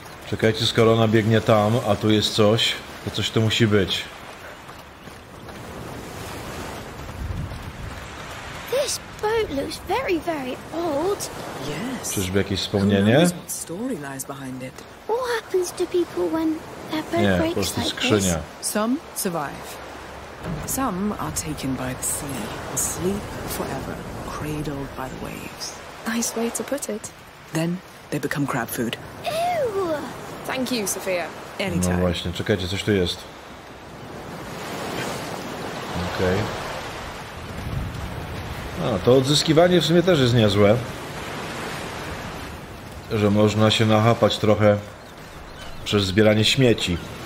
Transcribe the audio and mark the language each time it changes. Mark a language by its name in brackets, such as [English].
[Polish] Czekajcie, skoro ona biegnie tam, a tu jest coś, to coś to musi być. [English] This boat looks very, very old. Yes. [Polish] Czyżby jakieś wspomnienie? [English] What story lies behind it? What happens to people when [Polish] Nie, po prostu skrzynia. [English] Some survive. Some are taken by the sea, asleep forever, cradled by the waves. Nice way to put it. Then they become crab food. Ew! Thank you, Sophia. Anytime. [Polish] No właśnie, czekajcie, coś tu jest. Okej. Okay. A, to odzyskiwanie w sumie też jest niezłe. Że można się nachapać trochę. Przez zbieranie śmieci.